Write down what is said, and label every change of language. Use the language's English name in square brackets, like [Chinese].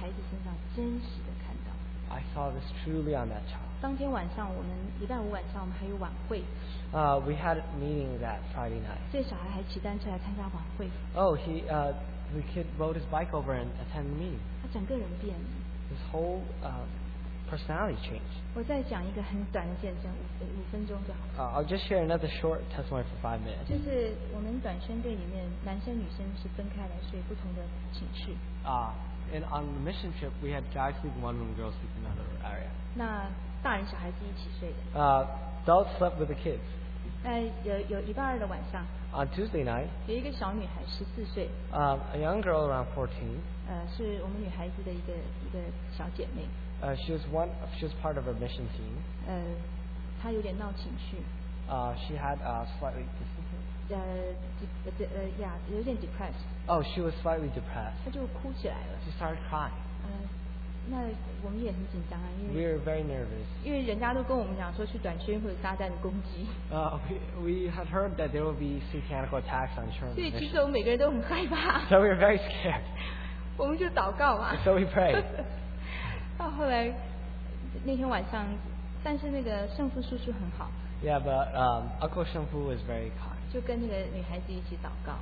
[Chinese] 我在一个孩子身上真实的看到, [English] I saw this truly on that child. [Chinese] 当天晚上我们礼拜五晚上我们还有晚会, [English] we had a meeting that Friday night. [Chinese] 这小孩还骑单车来参加晚会, [English] the kid rode his bike over and attended the meeting. [Chinese] 他整个人变了, [English] his whole personality changed. [Chinese] 我再讲一个很短的见证, 五分钟就好了, [English] I'll just share another short testimony for 5 minutes. [Chinese] 就是我们短宣队里面, 男生女生是分开来睡, 不同的寝室, [English] and on the mission trip we had guys sleeping one room, girls sleeping another area. [Chinese] 那大人小孩子一起睡的, [English] adults slept with the kids. [Chinese] 有一半的晚上, [English] on Tuesday night, [Chinese] 有一个小女孩, 14岁, [English] a young girl around 14, [Chinese] 是我们女孩子的一个小姐妹, [English] she was part of her mission team. [Chinese] 她有点闹情绪, [English] she had a slightly depressed. Oh, she was slightly depressed. [Chinese] 她就哭起来了, [English] she started crying. [Chinese] 那我们也很紧张啊, 因为, [English] we are very nervous. [Chinese] 因为人家都跟我们讲说去短缺会有炸弹攻击。 [English] We had heard that there will be satanical attacks on Sherman. [Chinese] 对，其实我们每个人都很害怕。 [English] So we were very scared. [Chinese] 我们就祷告嘛。 [English] So we prayed. [Chinese] 到后来那天晚上, 但是那个圣父叔叔很好。 [English] Yeah, but Uncle Shengfu was very kind. [Chinese] 就跟那个女孩子一起祷告。